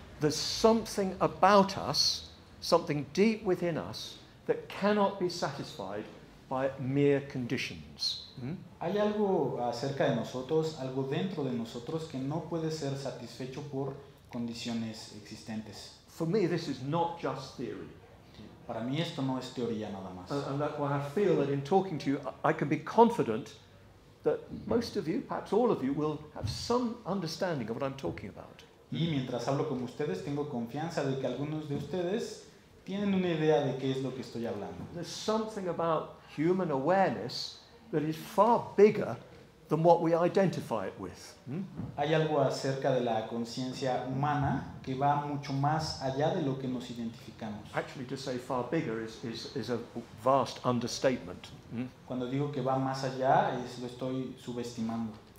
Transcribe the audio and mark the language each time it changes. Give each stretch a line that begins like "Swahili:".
English: There's something about us, something deep within us, that cannot be satisfied by mere conditions.
Spanish: Hay algo acerca de nosotros, algo dentro de nosotros, que no puede ser satisfecho por condiciones existentes.
English: For me, this is not just theory.
Spanish: Para mí esto no es teoría nada más.
English: And that's why I feel that in talking to you, I can be confident that most of you, perhaps all of you, will have some understanding of what I'm talking about.
Spanish: Y mientras hablo con ustedes, tengo confianza de que algunos de ustedes tienen una idea de qué es lo que estoy hablando.
English: There's something about human awareness that is far bigger than what we identify it with.
Spanish: Hay algo acerca de la conciencia humana que va mucho más allá de lo que nos identificamos.
English: Actually, to say far bigger is a vast understatement.
Spanish: Cuando digo que va más allá, lo estoy subestimando.